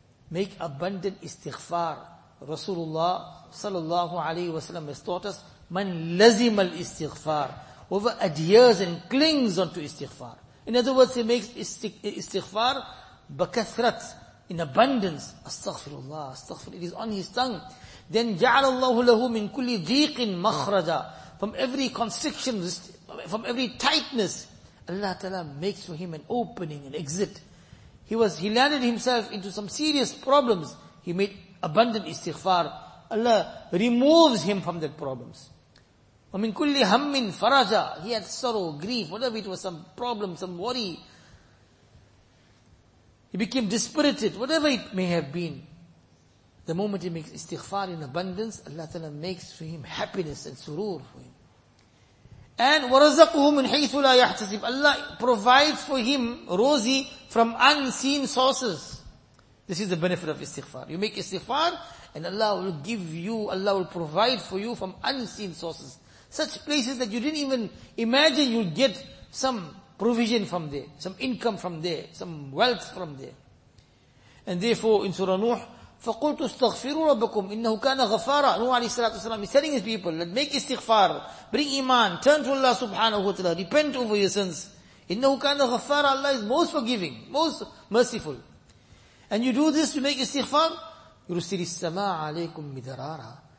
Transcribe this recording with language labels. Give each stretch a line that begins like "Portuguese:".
English: Make abundant istighfar. Rasulullah sallallahu alayhi wa sallam has taught us, man lazim al istighfar. Whoever adheres and clings onto istighfar. In other words, he makes istighfar bakathrat, in abundance. Astaghfirullah, astaghfirullah. It is on his tongue.
Arabic: Then جَعَلَ اللَّهُ لَهُ مِنْ كُلِّ ذِيقٍ مَخْرَجًا.
English: From every constriction, from every tightness, Allah Ta'ala makes for him an opening, an exit. He landed himself into some serious problems. He made abundant istighfar. Allah removes him from that problems.
Arabic: وَمِنْ كُلِّ هَمٍ فَرَجًا.
English: He had sorrow, grief, whatever it was, some problem, some worry. He became dispirited, whatever it may have been. The moment he makes istighfar in abundance, Allah Ta'ala makes for him happiness and surur for him.
Arabic: And وَرَزَقُهُ مِنْ حَيْثُ لَا يَحْتَسِبُ.
English: Allah provides for him rosy from unseen sources. This is the benefit of istighfar. You make istighfar and Allah will give you, Allah will provide for you from unseen sources. Such places that you didn't even imagine you'll get some provision from there, some income from there, some wealth from there. And therefore in Surah Nuh,
Arabic: فَقُلْتُ اسْتَغْفِرُوا رَبَّكُمْ إِنَّهُ كَانَ غَفَارًا.
English: Nuh alayhi salatu wasalam is telling his people, let make istighfar, bring iman, turn to Allah subhanahu wa ta'ala, repent over your sins.
Arabic: إِنَّهُ كَانَ غَفَارًا.
English: Allah is most forgiving, most merciful. And you do this, you make istighfar,
Arabic: يُرُسِلِ السَّمَاءَ عَلَيْكُمْ مِدَرَارًا.